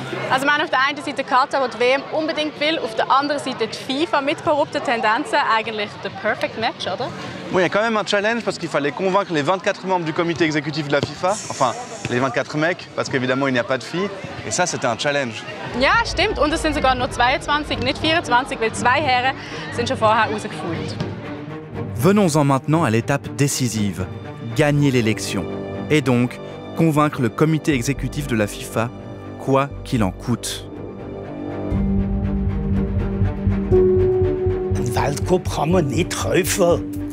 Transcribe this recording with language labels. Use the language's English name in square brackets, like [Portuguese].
[German] Also man auf der einen Seite Katar, wo die WM unbedingt will, auf der anderen Seite die FIFA mit korrupten Tendenzen, eigentlich der [English] perfect match, [German] oder? [French] Oui, il y a quand même un challenge parce qu'il fallait convaincre les 24 membres du comité exécutif de la FIFA, enfin les 24 mecs, parce qu'évidemment il n'y a pas de filles, et ça c'était un challenge. [German] Ja, stimmt, und es sind sogar nur 22, nicht 24, weil zwei Herren sind schon vorher rausgefallen. [French] Venons-en maintenant à l'étape décisive, gagner l'élection, et donc convaincre le comité exécutif de la FIFA, quoi qu'il en coûte. [German] Un Weltcup kann man nicht kaufen.